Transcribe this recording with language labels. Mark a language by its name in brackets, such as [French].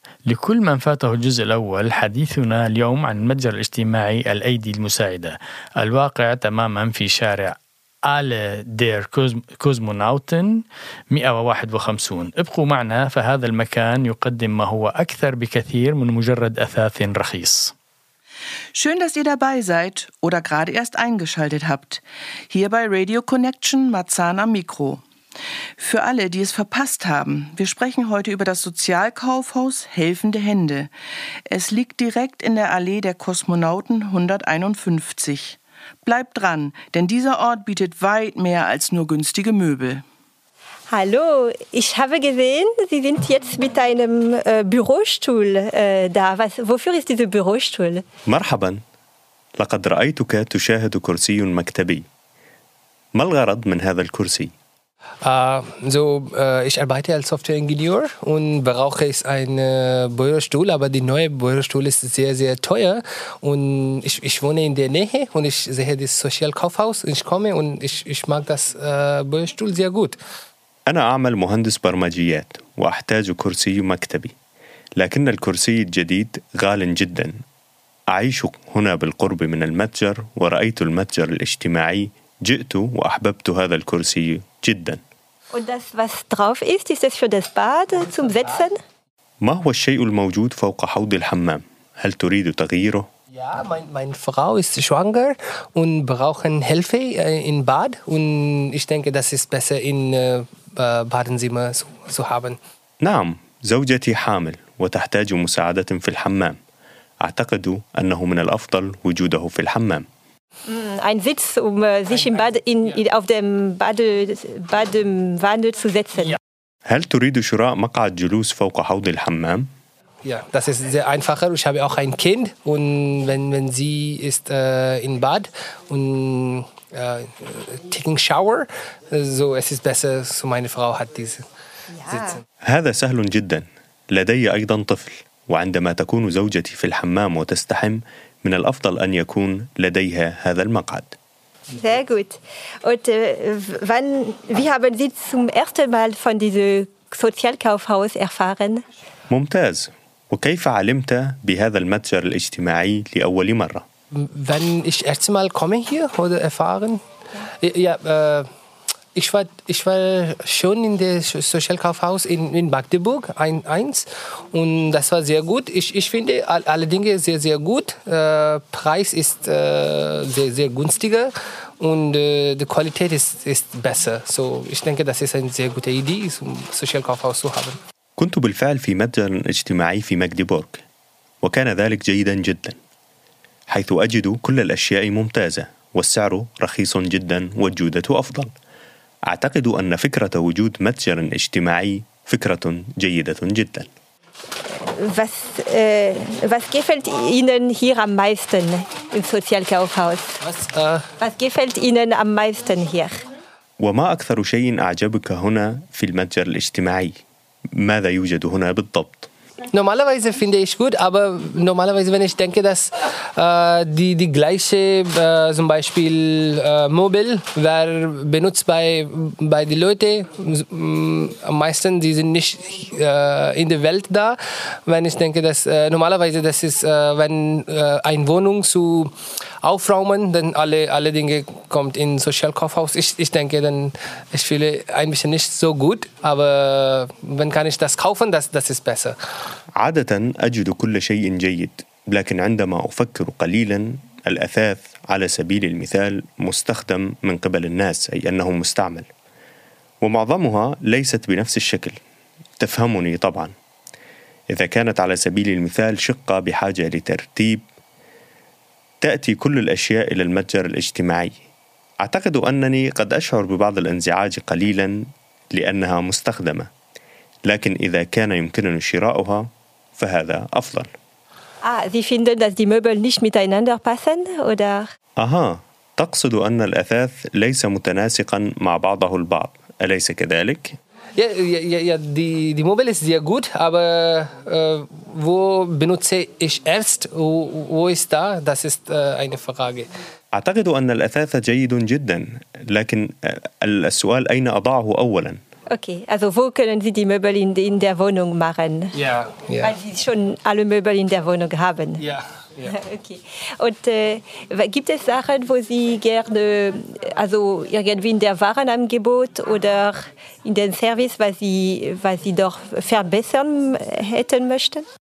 [Arabic] لكل من فاته الجزء الأول، حديثنا اليوم عن المتجر الاجتماعي الأيدي المساعدة الواقع تماما في شارع آل دير كوزمونوتن 151. ابقوا معنا، فهذا المكان يقدم ما هو أكثر بكثير من مجرد أثاث رخيص. [German] Schön, dass ihr dabei seid oder gerade erst eingeschaltet habt. Hier bei Radio Connection Marzahn am Mikro. Für alle, die es verpasst haben, wir sprechen heute über das Sozialkaufhaus Helfende Hände. Es liegt direkt in der Allee der Kosmonauten 151. Bleibt dran, denn dieser Ort bietet weit mehr als nur günstige Möbel. Hallo, ich habe gesehen, Sie sind jetzt mit einem Bürostuhl da. Wofür ist dieser Bürostuhl? [Arabic] مرحبا. لقد رأيتك تشاهد كرسي مكتبي. ما الغرض من هذا الكرسي؟ [German] Ich arbeite als Software-Ingenieur und brauche ich einen Bürostuhl, aber der neue Bürostuhl ist sehr, sehr teuer und ich wohne in der Nähe und ich sehe das Sozialkaufhaus und ich komme und ich mag das Bürostuhl sehr gut. [Arabic] أنا أعمل مهندس برمجيات وأحتاج كرسي مكتبي، لكن الكرسي الجديد غال جدا. أعيش هنا بالقرب من المتجر ورأيت المتجر الاجتماعي، جئت وأحببت هذا الكرسي جدا. [German] Und das, was drauf ist, ist das für das Bad zum Setzen? [Arabic] ما هو الشيء الموجود فوق حوض الحمام؟ هل تريد تغييره؟ [German] Ja, meine Frau ist schwanger und brauchen Hilfe in Bad und ich denke, das ist besser in Badezimmer zu haben. [Arabic] نعم، زوجتي حامل وتحتاج مساعدة في الحمام. أعتقد أنه من الأفضل وجوده في الحمام. [German] Ein Sitz, um sich im Bad auf dem Badewanne zu setzen. [Arabic] هل تريد شراء مقعد جلوس فوق حوض الحمام؟ [German] Ja, das ist sehr einfacher. Ich habe auch ein Kind und wenn sie ist in Bad und [English] taking shower, [German] so es ist besser, so meine Frau hat diese Sitze. [Arabic] هذا سهل جدا. لدي أيضا طفل وعندما تكون زوجتي في الحمام وتستحم من الأفضل أن يكون لديها هذا المقعد. [German] Sehr gut. Und wie haben Sie zum ersten Mal von diesem Sozialkaufhaus erfahren? [Arabic] ممتاز. وكيف علمت بهذا المتجر الاجتماعي لأول مرة؟ [German] Wenn ich erst mal komme hier oder erfahren, ja, ich war schon in der Sozialkaufhaus in Magdeburg eins und das war sehr gut. Ich finde alle Dinge sehr sehr gut. Preis ist sehr sehr günstiger und die Qualität ist besser. So, ich denke, das ist eine sehr gute Idee, zum Sozialkaufhaus zu haben. [Arabic] كنت بالفعل في متجر اجتماعي في ماجديبورغ وكان ذلك جيدا جدا حيث أجد كل الأشياء ممتازة والسعر رخيص جدا والجودة أفضل أعتقد أن فكرة وجود متجر اجتماعي فكرة جيدة جدا. [German] Was gefällt Ihnen hier am meisten im Sozialkaufhaus? Was gefällt Ihnen am meisten hier? [Arabic] وما أكثر شيء أعجبك هنا في المتجر الاجتماعي؟ ماذا يوجد هنا بالضبط؟ [German] Normalerweise finde ich gut, aber normalerweise, wenn ich denke, dass die gleiche, zum Beispiel Mobil, wäre benutzt bei den Leuten, am meisten, die sind nicht in der Welt da. Wenn ich denke, dass normalerweise, das ist, wenn eine Wohnung zu aufräumen, dann alle Dinge kommt in Social Kaufhaus. Ich denke, dann ich fühle ein bisschen nicht so gut, aber wenn kann ich das kaufen, das ist besser. [Arabic] عادة أجد كل شيء جيد، لكن عندما أفكر قليلا، الأثاث على سبيل المثال مستخدم من قبل الناس، أي أنه مستعمل، ومعظمها ليست بنفس الشكل. تفهمني طبعا. إذا كانت على سبيل المثال شقة بحاجة لترتيب، تأتي كل الأشياء إلى المتجر الاجتماعي. أعتقد أنني قد أشعر ببعض الانزعاج قليلا لأنها مستخدمة، لكن إذا كان يمكنني شراؤها فهذا أفضل. [German] Sie finden, dass die Möbel nicht miteinander passen, oder? [Arabic] تقصد أن الأثاث ليس متناسقا مع بعضه البعض، أليس كذلك؟ [German] Die Möbel ist sehr gut, aber wo benutze ich erst, wo ist da, das ist eine Frage. [Arabic] أعتقد أن الأثاث جيد جدا، لكن السؤال أين أضعه أولا؟ [German] Okay, also wo können Sie die Möbel in der Wohnung machen? Ja. Weil Sie schon alle Möbel in der Wohnung haben. Ja. Okay. Und gibt es Sachen, wo Sie gerne, also irgendwie in der Warenangebot oder in den Service, was Sie doch verbessern hätten möchten?